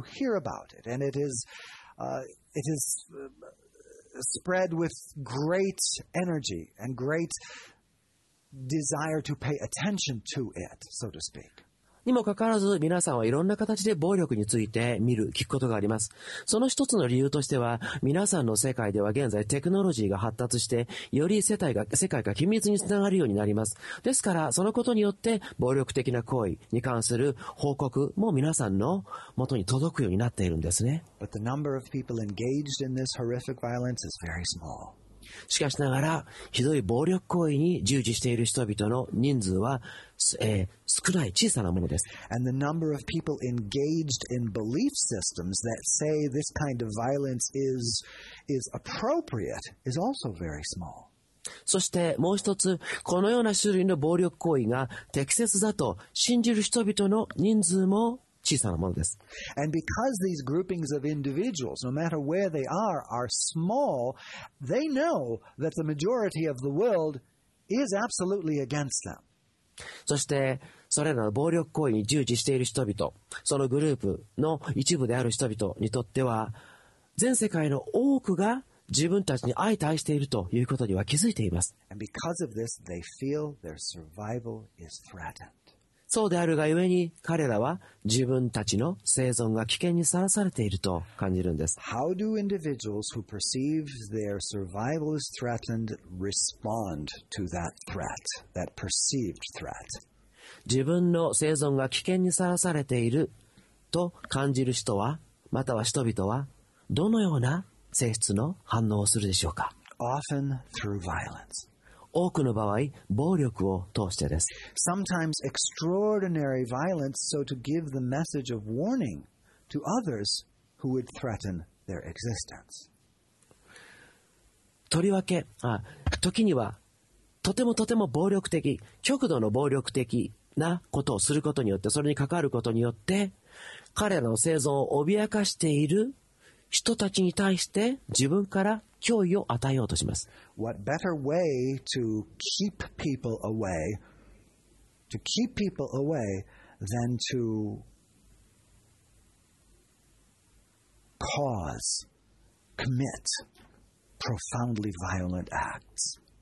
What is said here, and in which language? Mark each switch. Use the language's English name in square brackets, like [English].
[English] You hear about it, and it is spread with great energy and great desire to pay attention to it, so to speak. [Japanese] にもかかわらず、皆さんはいろんな形で暴力について見る、聞くことがあります。その一つの理由としては、皆さんの世界では現在テクノロジーが発達して、より世界が緊密につながるようになります。ですから、そのことによって暴力的な行為に関する報告も皆さんの元に届くようになっているんですね。 [English] But the number of people engaged in this horrific violence is very small. [Japanese] しかしながら、ひどい暴力行為に従事している人々の人数は、少ない小さなものです。 [English] And the number of people engaged in belief systems that say this kind of violence is appropriate is also very small. [Japanese] そしてもう一つ、このような種類の暴力行為が適切だと信じる人々の人数も小さなものです。 [English] And because these groupings of individuals, no matter where they are small, they know that the majority of the world is absolutely against them. [Japanese] そしてそれらの暴力行為に従事している人々、そのグループの一部である人々にとっては、全世界の多くが自分たちに相対しているということには気づいています。 [English] And because of this, they feel their survival is threatened. [Japanese] そうであるがゆえに、彼らは自分たちの生存が危険にさらされていると感じるんです。 [English] How do individuals who perceive their survival is threatened respond to that threat, that perceived threat? [Japanese] 自分の生存が危険にさらされていると感じる人は、または人々は、どのような性質の反応をするでしょうか? [English] Often through violence. [Japanese] 多くの場合、暴力を通してです。 [English] Sometimes extraordinary violence, so to give the message of warning to others who would threaten their existence. [Japanese] とりわけ、時にはとてもとても暴力的、極度の暴力的なことをすることによって、それに関わることによって、彼らの生存を脅かしている人たちに対して自分から脅威を与えようとします。 [English] What better way to keep people away, than to cause, commit profoundly violent acts.